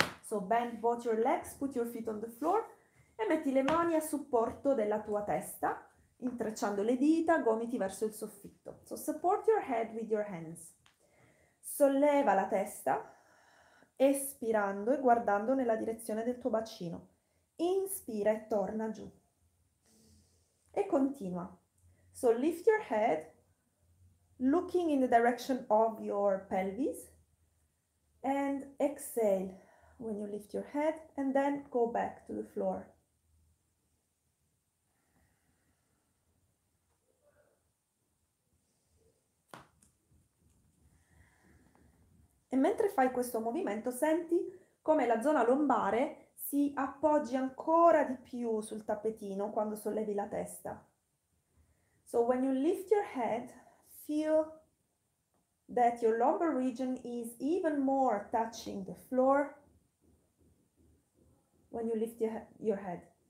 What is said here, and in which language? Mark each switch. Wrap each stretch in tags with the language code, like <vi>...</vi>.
<en>So bend both your legs, put your feet on the floor</en> <it>e metti le mani a supporto della tua testa, intrecciando le dita, gomiti verso il soffitto.</it> <en>So support your head with your hands.</en> <it>Solleva la testa, espirando e guardando nella direzione del tuo bacino. Inspira e torna giù. E continua.</it> <en>So lift your head, looking in the direction of your pelvis, and exhale when you lift your head, and then go back to the floor.</en> <it>E mentre fai questo movimento, senti come la zona lombare si si appoggi ancora di più sul tappetino quando sollevi la testa.</it> <en>So when you lift your head, feel that your lumbar region is even more touching the floor when you lift your head.</en>